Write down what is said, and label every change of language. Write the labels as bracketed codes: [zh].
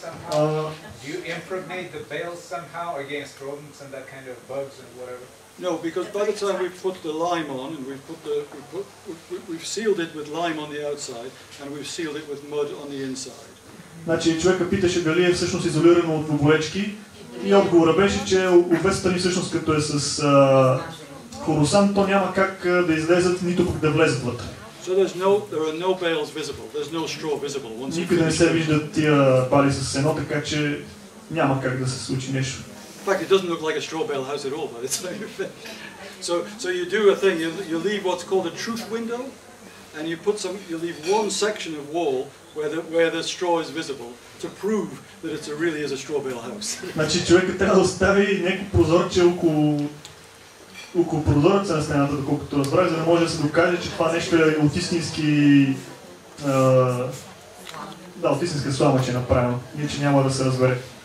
[en] Do you impregnate the bales somehow against rodents and that kind of bugs and whatever? No, because by the time we've put the lime on and we've sealed it with lime on the outside and we've sealed it with mud on the inside. [bg] Значи човека питаше дали е всъщност изолирано от боечки и отговорът беше, че обвесата ни всъщност като е с хоросан, то няма как да излезат, нито пък да влезат вътре. [en] So there are no bales visible. There's no straw visible. Once [bg] никъде не се виждат тия бали с сено, така че няма как да се случи нещо. [en] In fact, it doesn't look like a straw bale house at all, but it's very finished. So you do a thing. You leave what's called a truth window, and you leave one section of wall where the straw is visible to prove that it really is a straw bale house. [bg] Значи човекът трябва да остави някакво прозорче около прозореца на стената, доколкото разбрах, за да може да се докаже, че това нещо е от истински... да, от истинска слама, че е направено. Иначе няма да се разбере.